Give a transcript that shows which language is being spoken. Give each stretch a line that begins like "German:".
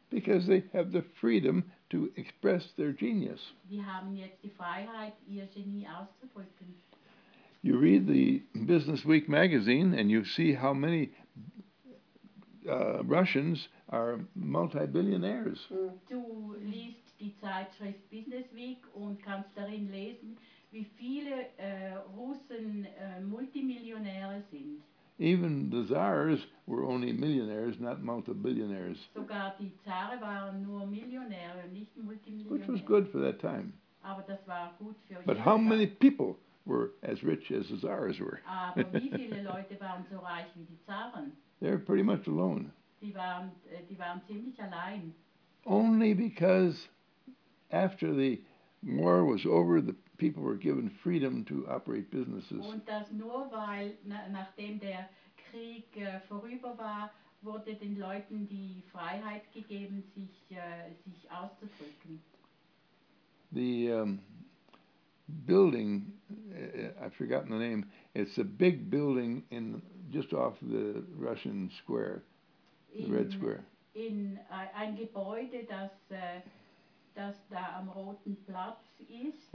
English: Because they have the freedom to express their genius.
German: Die haben jetzt die Freiheit, ihr Genie auszudrücken.
English: You read the Business Week magazine and you see how many Russians are multi-billionaires.
German: Du liest die Zeitschrift Business Week und kannst darin lesen, wie viele Russen Multimillionäre sind.
English: Even the Tsars were only millionaires, not multi-billionaires.
German: Sogar die Zare waren nur Millionäre, nicht Multimillionäre.
English: Which was good for that time.
German: Aber das war gut für
English: But how many people were as rich as the Tsars were?
German: Aber wie viele Leute waren so reich wie die Zaren?
English: They're pretty much alone.
German: Die waren ziemlich allein.
English: Only because after the war was over, the people were given freedom to operate businesses.
German: Und das nur weil nachdem der Krieg vorüber war, wurde den Leuten die Freiheit gegeben, sich auszudrücken.
English: The building, I've forgotten the name. It's a big building in just off the Russian square, the Red Square.
German: In ein Gebäude, das da am Roten Platz ist.